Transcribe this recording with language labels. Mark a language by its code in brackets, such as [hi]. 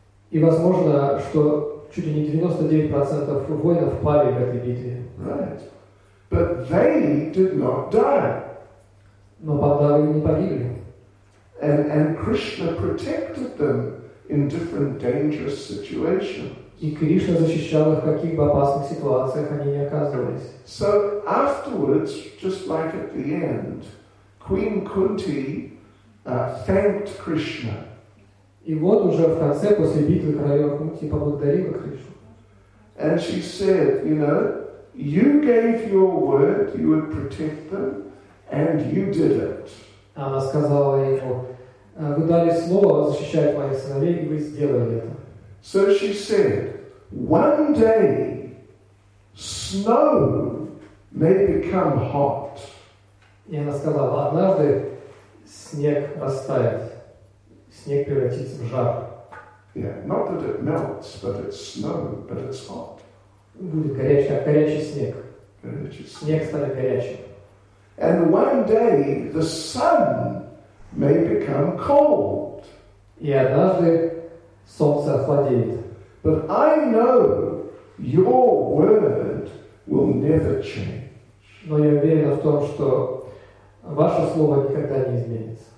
[ru] И возможно, что чуть ли не 99% воинов пали в этой битве. [en] Right. But they did not die. [ru] Но Пандавы не погибли. [en] And Krishna protected them in different dangerous situations. [ru] И Кришна защищал их, в каких бы опасных ситуациях они не оказывались. [en] So afterwards, just like at the end, Queen Kunti thanked Krishna. [ru] И вот уже в конце, после битвы, королева Кунти поблагодарила Кришну. [en] And she said, you know, you gave your word you would protect them, and you did it. [ru] Она сказала ему, вы дали слово защищать моих сыновей, и вы сделали это. [en] So she said, one day snow may become hot. [ru] И она сказала, однажды снег растает, снег превратится в жар. [en] Yeah, not that it melts, but it's snow, but it's hot. [ru] Будет горячий, как горячий снег. Горячий снег станет горячим. [en] And one day the sun may become cold. [ru] И однажды солнце охладеет. [en] But I know your word will never change. [ru] Но я уверен в том, что ваше слово никогда не изменится.